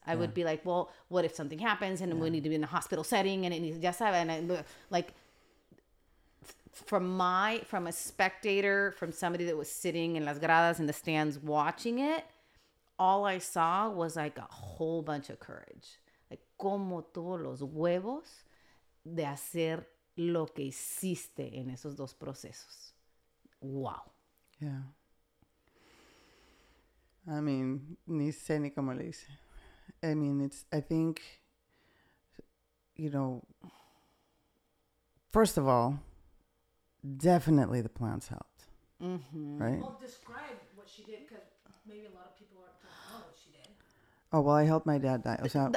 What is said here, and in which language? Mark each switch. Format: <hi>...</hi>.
<en>I would be like, well, what if something happens and we need to be in a hospital setting and it needs,</en> <es>ya sabes?</es> <en>And from a spectator, from somebody that was sitting in</en> <es>las gradas</es> <en>in the stands watching it, all I saw was like a whole bunch of courage. Like,</en> <es>como todos los huevos de hacer lo que hiciste en esos dos procesos.</es> <en>Wow. Yeah. I mean,</en> <es>ni sé ni cómo le hice.</es> <en>I mean, I think, you know, first of all, definitely the plants helped. Mm-hmm. Right? Well, describe what she did, because maybe a lot of people don't know what she did. Oh, well, I helped my dad die. So,</en>